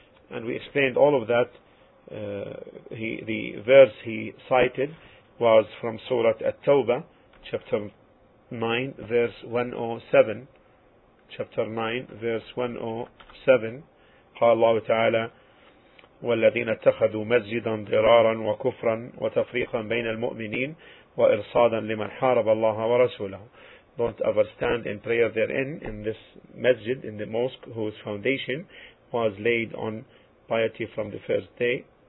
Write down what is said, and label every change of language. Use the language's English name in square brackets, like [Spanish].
[English] And we explained all of that. The verse he cited was from Surah At-Tawbah, chapter 9, verse 107. Chapter 9, verse 107. [Arabic] قال الله تعالى والذين اتخذوا مسجدا ضرارا وكفرا وتفريقا بين المؤمنين وإرصادا لمن حارب الله ورسوله. [English] Don't ever stand in prayer therein, in this masjid, in the mosque whose foundation was laid on piety from the first day.